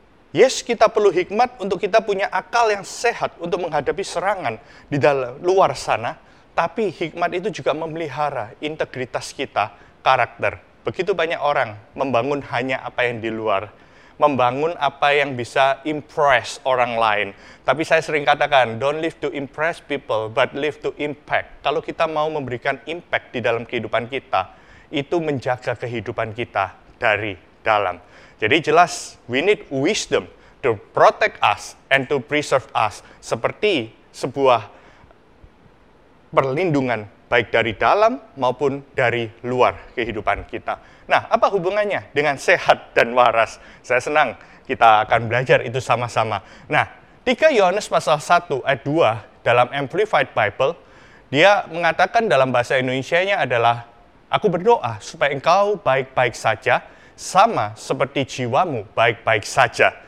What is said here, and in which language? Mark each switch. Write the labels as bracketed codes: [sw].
[id] Yes, kita perlu hikmat untuk kita punya akal yang sehat untuk menghadapi serangan di dalam luar sana. Tapi hikmat itu juga memelihara integritas kita, karakter. Begitu banyak orang membangun hanya apa yang di luar. Membangun apa yang bisa impress orang lain. Tapi saya sering katakan, [en] don't live to impress people, but live to impact. [id] Kalau kita mau memberikan impact di dalam kehidupan kita, itu menjaga kehidupan kita dari dalam. Jadi jelas, [en] we need wisdom to protect us and to preserve us. [id] Seperti sebuah perlindungan baik dari dalam maupun dari luar kehidupan kita. Nah, apa hubungannya dengan sehat dan waras? Saya senang kita akan belajar itu sama-sama. Nah, 3 Yohanes pasal 1 ayat 2 dalam Amplified Bible, dia mengatakan dalam bahasa Indonesianya adalah, aku berdoa supaya engkau baik-baik saja, sama seperti jiwamu baik-baik saja.